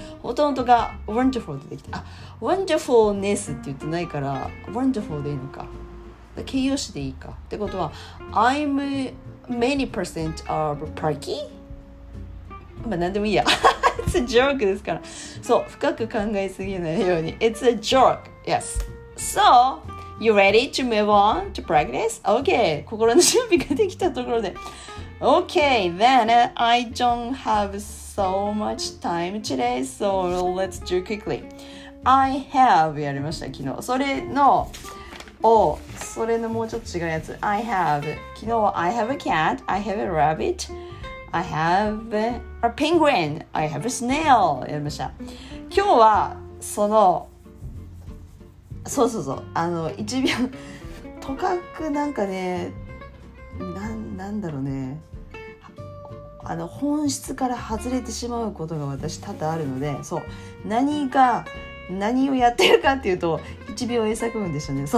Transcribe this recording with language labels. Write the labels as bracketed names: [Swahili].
[Japanese] ほとんどが wonderful でできて。あ、wonderfulness って言ってないから、wonderful でいいのか。形容詞でいいか。ってことは、 [English] I'm many percent of perky? [Japanese] まあ、なんでもいいや。 [English] It's a joke [Japanese] ですから。そう、深く考えすぎないように。 [English] It's a joke. Yes. So, you ready to move on to practice? Okay. [Japanese] 心の準備ができたところで。 [English] Okay. Then, I don't have so much time today. So, let's do quickly. I have [Japanese] やりました、昨日。それの、それのもうちょっと違うやつ。 [English] I have. [Japanese] 昨日は [English] I have a cat. I have a rabbit. I have a penguin. I have a snail. [Japanese] やりました。今日はその、そうそうそう、あの一秒、とかくなんかね、なんだろうね、あの本質から外れてしまうことが私多々あるので、そう、何をやってるかっていうと1秒英作文でしたね。